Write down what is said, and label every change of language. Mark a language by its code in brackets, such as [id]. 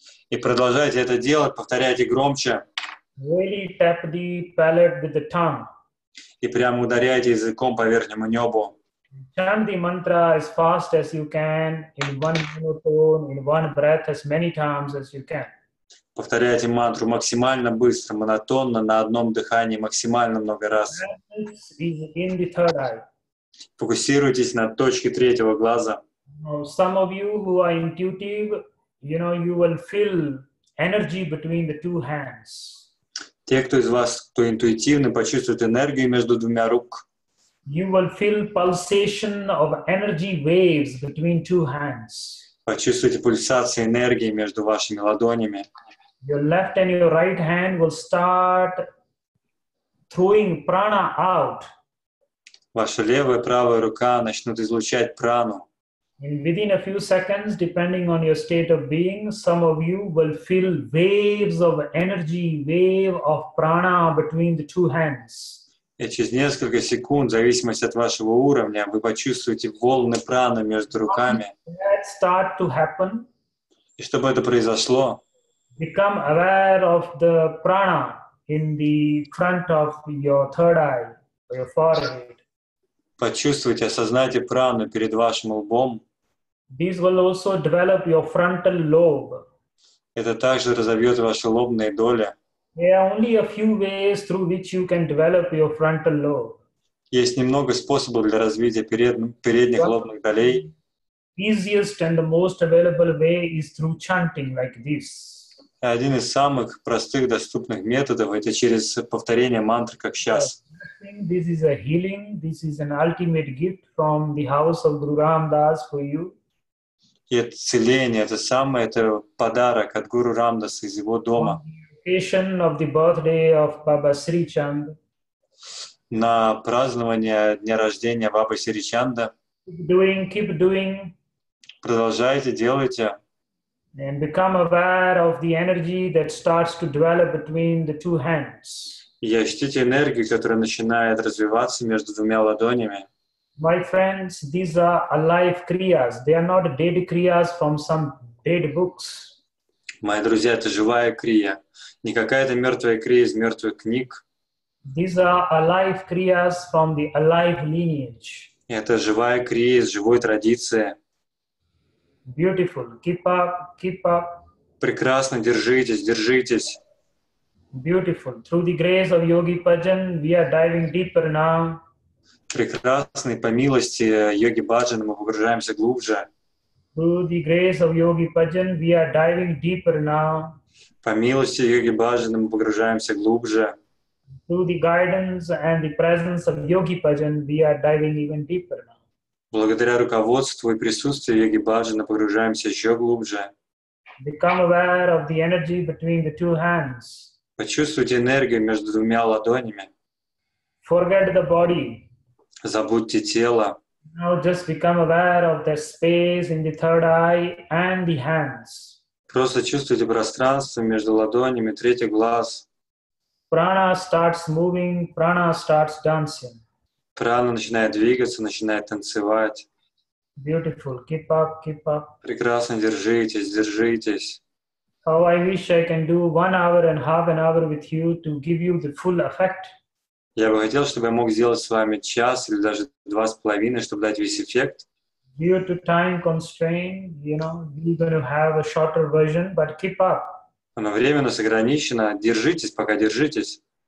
[ru] и продолжайте это делать повторяйте громче [en] really tap the palate with the tongue [ru] и прямо ударяйте языком по верхнему небу. [en] Chant the mantra as fast as you can, in one monotone, in one breath, as many times as you can. [ru] Повторяйте мантру максимально быстро, монотонно, на одном дыхании, максимально много раз. [en] In the third eye. [ru] Фокусируйтесь на точке третьего глаза. [en] Some of you who are intuitive, you know, you will feel energy between the two hands. [ru] Те, кто из вас, кто интуитивный, почувствует энергию между двумя рук. [en] You will feel pulsation of energy waves between two hands. [ru] Почувствуйте пульсации энергии между вашими ладонями. [en] Your left and your right hand will start throwing prana out. [ru] Ваша левая и правая рука начнут излучать прану. [en] And within a few seconds, depending on your state of being, some of you will feel waves of energy, wave of prana between the two hands. [ru] И через несколько секунд, в зависимости от вашего уровня, вы почувствуете волны праны между руками. [en] That start to happen. [ru] И чтобы это произошло, [en] become aware of the prana in the front of your third eye, or your forehead. [ru] Почувствуйте, осознайте прану перед вашим лбом. [en] This will also develop your frontal lobe. [ru] Это также разовьет ваши лобные доли. [en] There are only a few ways through which you can develop your frontal lobe. [ru] Есть немного способов для развития передних лобных долей. [en] Easiest and the most available way is through chanting like this. [ru] Один из самых простых доступных методов это через повторение мантры как сейчас. [en] This is a healing. This is an ultimate gift from the house of Guru Ram Das for you. [ru] И это исцеление, это самое, это подарок от Гуру Рамдаса из его дома. [en] Of the birthday of Baba Sri Chand. [ru] На празднование дня рождения Бабы Сри Чанда. [en] Keep doing. [ru] Продолжайте, делайте. [en] And become aware of the energy that starts to develop between the two hands. [ru] И ощутите энергию, которая начинает развиваться между двумя ладонями. [en] My friends, these are alive kriyas. They are not dead kriyas from some dead books. [ru] Мои друзья, это живая крия, не какая-то мертвая крия из мертвых книг. [en] These are alive kriyas from the alive lineage. [ru] Это живая крия из живой традиции. [en] Beautiful. Keep up. [ru] Прекрасно, держитесь, держитесь. [en] Beautiful. Through the grace of Yogi Bhajan, we are diving deeper now. [ru] Прекрасный, по милости Йоги Баджана, мы погружаемся глубже. [en] Through the grace of Yogi Bhajan, we are diving deeper now. [ru] По милости Йоги Баджана, мы погружаемся глубже. [en] Through the guidance and the presence of Yogi Bhajan, we are diving even deeper now. [ru] Благодаря руководству и присутствию Йоги Баджана, погружаемся еще глубже. [en] Become aware of the energy between the two hands. [ru] Почувствуйте энергию между двумя ладонями. [en] Forget the body. [ru] Забудьте тело. [en] Now just become aware of the space in the third eye and the hands. [ru] Просто чувствуйте пространство между ладонями, третий глаз. [en] Prana starts moving, prana starts dancing. [ru] Прана начинает двигаться, начинает танцевать. [en] Beautiful, keep up, keep up. [ru] Прекрасно, держитесь, держитесь. [en] How I wish I can do 1 hour and half an hour with you to give you the full effect. [ru] Я бы хотел, чтобы я мог сделать с вами час или даже 2.5, чтобы дать весь эффект. [en] Due to time constraint, you know, we're going to have a shorter version, but keep up. [ru] Но время у нас ограничено. Держитесь, пока держитесь.